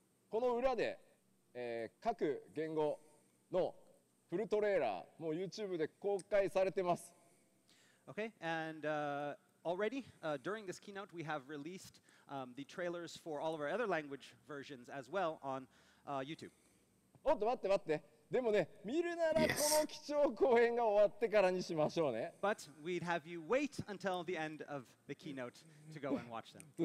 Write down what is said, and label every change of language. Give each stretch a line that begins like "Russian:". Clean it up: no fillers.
Japanese: この裏で、各言語のフルトレーラーもう YouTube で公開されてます。
English: Okay, and already during this keynote we have released the trailers for all of our other language versions as well on YouTube.
Japanese: おっと待って待って。でもね、見るならこの貴重講演が終わってからにしましょうね。
English: Yes. But we'd have you wait until the end of the keynote to go and watch them.